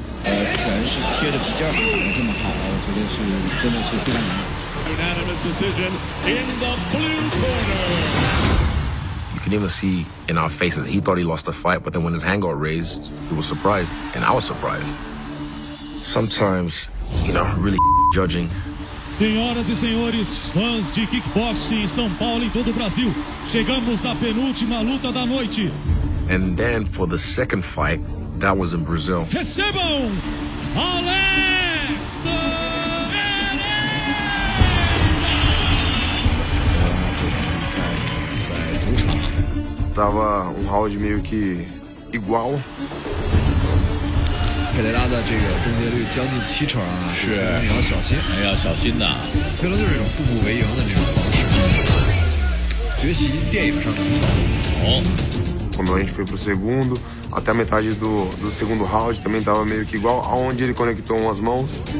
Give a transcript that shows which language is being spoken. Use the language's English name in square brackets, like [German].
[English] You can even see in our faces, he thought he lost the fight, but then when his hand got raised, he was surprised, and I was surprised. Sometimes, you know, really judging. [Portuguese] Senhoras e senhores, fãs de kickboxing em São Paulo e todo o Brasil, chegamos à penúltima luta da noite. [English] And then for the second fight, that was in Brazil. [Portuguese] Recebam! Alex Pereira! Tava um round meio que igual. [Chinese] Pereira 的这个终结率将近七成啊，是，你要小心，哎，要小心呐。非常就是一种步步为营的这种方式，学习电影上的。哦。 [Portuguese] Quando a gente foi pro segundo, até a metade do segundo round também estava meio que igual, aonde ele conectou umas mãos.